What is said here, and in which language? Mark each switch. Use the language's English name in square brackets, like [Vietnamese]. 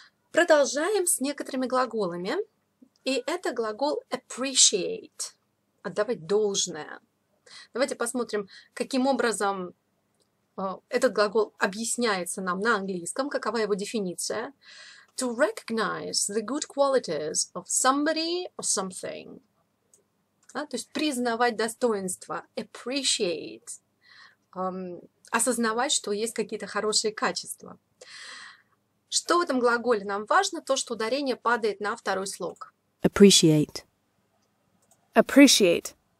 [Russian] Продолжаем с некоторыми глаголами. И это глагол appreciate. Отдавать должное. Давайте посмотрим, каким образом этот глагол объясняется нам на английском, какова его дефиниция. [English] To recognize the good qualities of somebody or something. [Russian] Да, то есть признавать достоинства, appreciate, осознавать, что есть какие-то хорошие качества. Что в этом глаголе нам важно? То, что ударение падает на второй слог. [English] Appreciate. Appreciate.